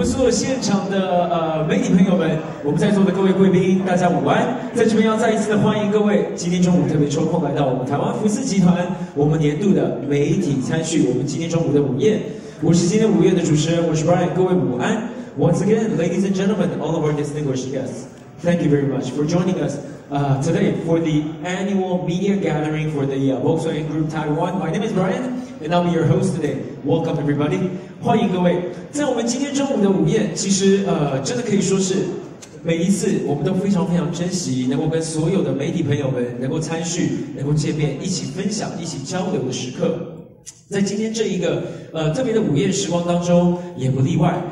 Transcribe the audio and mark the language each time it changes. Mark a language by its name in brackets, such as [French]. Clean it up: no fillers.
[Chinese] 现场的媒体朋友们，我们在座的各位贵宾，大家午安。在这边要再一次的欢迎各位，今天中午特别抽空来到我们台湾福斯集团，我们年度的媒体餐叙，我们今天中午的午宴。我是今天午宴的主持人，我是 Brian， 各位午安。 [English] Once again, ladies and gentlemen, all of our distinguished guests, thank you very much for joining us today for the annual media gathering for the Volkswagen Group Taiwan. My name is Brian, and I'll be your host today. Welcome, everybody. [Chinese] 欢迎各位。在我们今天中午的午宴，其实真的可以说是每一次我们都非常非常珍惜能够跟所有的媒体朋友们能够参叙、能够见面、一起分享、一起交流的时刻。在今天这一个特别的午宴时光当中，也不例外。